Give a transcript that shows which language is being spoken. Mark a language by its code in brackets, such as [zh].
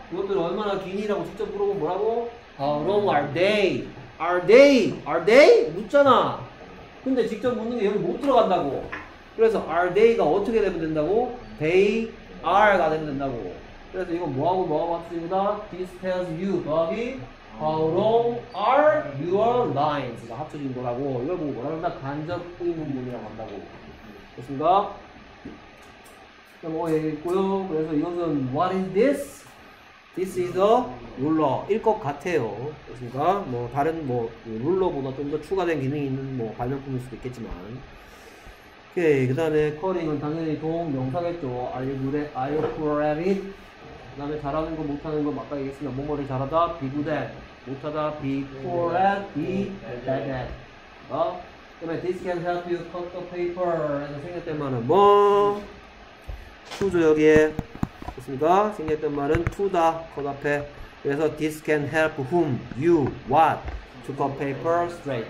[ko] 그것들 얼마나 긴이라고 직접 물어보면 뭐라고? [en] How long are they? Are they? Are they? [ko] 묻잖아. 근데 직접 묻는 게 여기 못 들어간다고. 그래서 [en] are they [ko] 가 어떻게 되면 된다고? [en] They are [ko] 가 되면 된다고. 그래서 이건 뭐하고 뭐하고 합치는다? [en] This tells you [ko] 더하기 [en] How long are your lines? [ko] 가 합쳐진 거라고. 이걸 보고 뭐라고 한다? 간접 의문문이라고 한다고. 됐습니다. 뭐 있고요. 그래서 이것은 [en] What is this? This is a ruler [ko] 일 것 같아요. 그렇습니까? 뭐 다른 뭐 룰러보다 좀 더 추가된 기능이 있는 뭐 발명품일 수도 있겠지만. 오케이. 그 다음에 커링은 당연히 동 명사겠죠. [en] Are you good at? Are you poor at it? [ko] 그 다음에 잘하는 거 못하는 거 [en] 아까 얘기했으니까 뭐뭐를 잘하다 Be good at, 못하다 Be poor at, Be bad at. 어? [ko] 그 다음에 [en] This can help you cut the paper [ko] 해서 생겼던 말은 뭐? 투죠, 여기에. 됐습니까? 생겼던 말은 투다, 컷 앞에. 그래서 [en] this can help whom, you, what to cut paper straight.